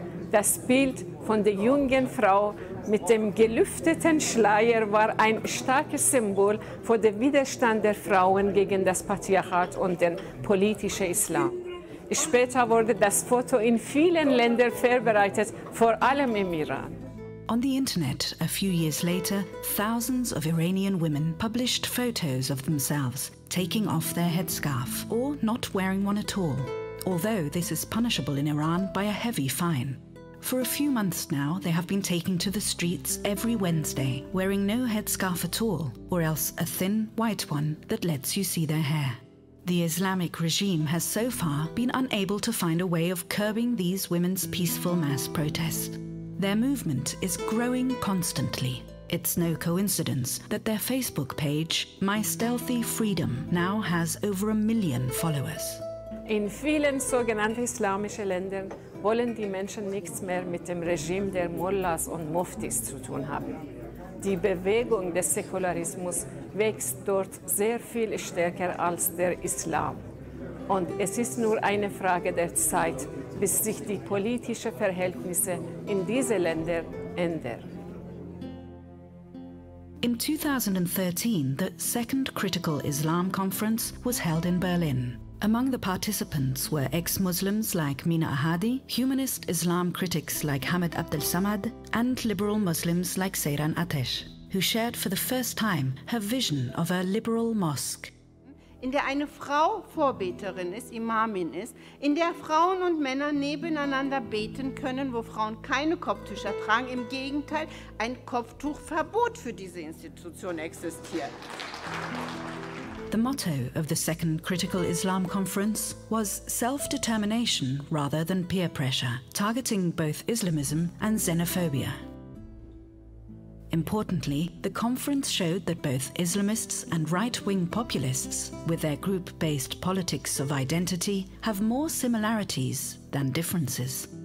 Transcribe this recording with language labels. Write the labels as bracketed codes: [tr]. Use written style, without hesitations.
[de] Das Bild von der jungen Frau mit dem gelüfteten Schleier war ein starkes Symbol für den Widerstand der Frauen gegen das Patriarchat und den politischen Islam. Später wurde das Foto in vielen Ländern verbreitet, vor allem im Iran. [en] On the internet, a few years later, thousands of Iranian women published photos of themselves taking off their headscarf or not wearing one at all. Although this is punishable in Iran by a heavy fine. For a few months now, they have been taken to the streets every Wednesday, wearing no headscarf at all, or else a thin white one that lets you see their hair. The Islamic regime has so far been unable to find a way of curbing these women's peaceful mass protests. Their movement is growing constantly. It's no coincidence that their Facebook page, My Stealthy Freedom, now has over a million followers. [de] In vielen sogenannten islamischen Ländern wollen die Menschen nichts mehr mit dem Regime der Mullahs und Muftis zu tun haben. Die Bewegung des Säkularismus wächst dort sehr viel stärker als der Islam. Und es ist nur eine Frage der Zeit, bis sich die politischen Verhältnisse in diese Länder ändern. [en] In 2013, the second critical Islam conference was held in Berlin. Among the participants were ex-Muslims like Mina Ahadi, humanist Islam critics like Hamid Abdel Samad, and liberal Muslims like Seyran Ateş, who shared for the first time her vision of a liberal mosque. [de] In der eine Frau Vorbeterin ist, Imamin ist, in der Frauen und Männer nebeneinander beten können, wo Frauen keine Kopftücher tragen, im Gegenteil, ein Kopftuchverbot für diese Institution existiert. [en] The motto of the second Critical Islam Conference was self-determination rather than peer pressure, targeting both Islamism and xenophobia. Importantly, the conference showed that both Islamists and right-wing populists, with their group-based politics of identity, have more similarities than differences.